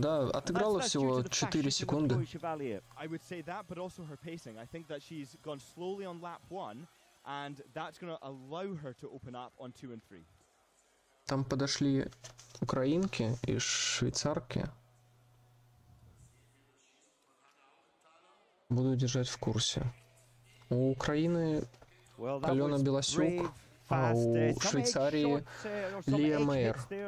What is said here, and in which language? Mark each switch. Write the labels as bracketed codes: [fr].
[ru] да, отыграла всего 4 секунды. [en] I would say that, but also her pacing. I think that she's gone slowly on lap one, and that's going to allow her to open up on two and three. [ru] Там подошли украинки и швейцарки. Буду держать в курсе. У Украины Алена Белосюк, а у Швейцарии Лия Мейер.